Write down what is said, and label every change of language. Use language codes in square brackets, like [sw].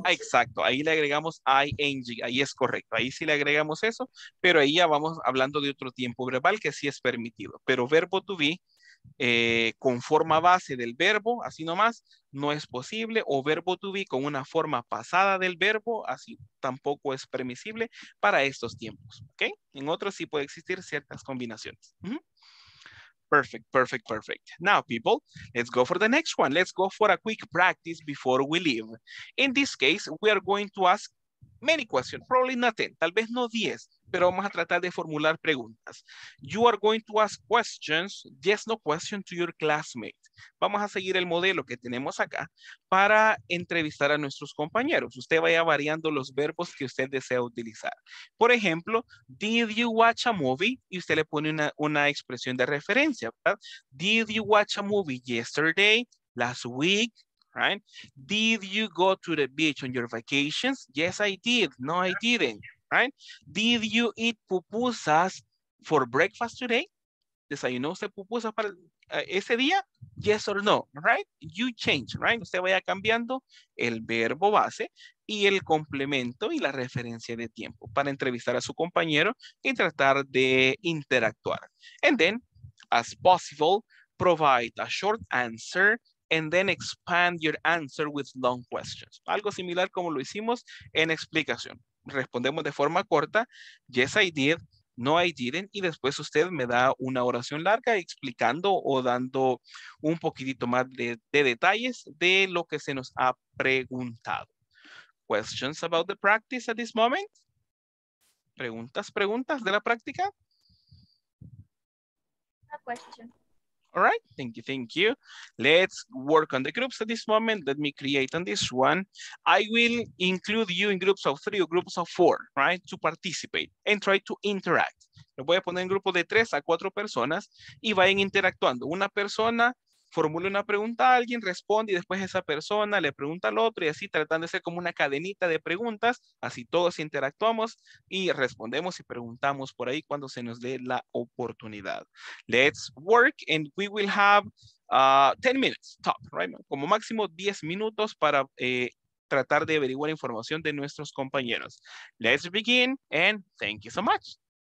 [es] Exacto, ahí le agregamos ing, ahí es correcto, ahí sí le agregamos eso, pero ahí ya vamos hablando de otro tiempo verbal que sí es permitido, pero verbo to be con forma base del verbo, así nomás, no es posible, o verbo to be con una forma pasada del verbo, así tampoco es permisible para estos tiempos, ¿ok? En otros sí puede existir ciertas combinaciones. Uh-huh. [en] Perfect, perfect, perfect. Now, people, let's go for the next one. Let's go for a quick practice before we leave. In this case, we are going to ask many questions, probably not 10, [es] tal vez no 10, pero vamos a tratar de formular preguntas. [en] You are going to ask questions, yes, no question to your classmate. [es] Vamos a seguir el modelo que tenemos acá para entrevistar a nuestros compañeros. Usted vaya variando los verbos que usted desea utilizar. Por ejemplo, [en] did you watch a movie? [es] Y usted le pone una expresión de referencia, ¿verdad? [en] Did you watch a movie yesterday, last week? Right? Did you go to the beach on your vacations? Yes, I did. No, I didn't. right? Did you eat pupusas for breakfast today? [es] ¿Desayunó usted pupusas para ese día? [en] Yes or no, right? You change, right? [es] Usted vaya cambiando el verbo base y el complemento y la referencia de tiempo para entrevistar a su compañero y tratar de interactuar. [en] And then, as possible, provide a short answer and then expand your answer with long questions. [es] Algo similar como lo hicimos en explicación. Respondemos de forma corta, [en] yes I did, no I didn't, [es] y después usted me da una oración larga explicando o dando un poquitito más de detalles de lo que se nos ha preguntado. [en] Questions about the practice at this moment? [es] ¿Preguntas de la práctica? [en] A question. All right, thank you. Let's work on the groups at this moment. Let me create on this one. I will include you in groups of three or groups of four, right? To participate and try to interact. [es] Lo voy a poner en grupo de tres a cuatro personas y vayan interactuando. Una persona formula una pregunta a alguien, responde y después esa persona le pregunta al otro y así tratando de ser como una cadenita de preguntas. Así todos interactuamos y respondemos y preguntamos por ahí cuando se nos dé la oportunidad. [en] Let's work and we will have 10 minutes top, right? [es] Como máximo 10 minutos para tratar de averiguar información de nuestros compañeros. [en] Let's begin and thank you so much.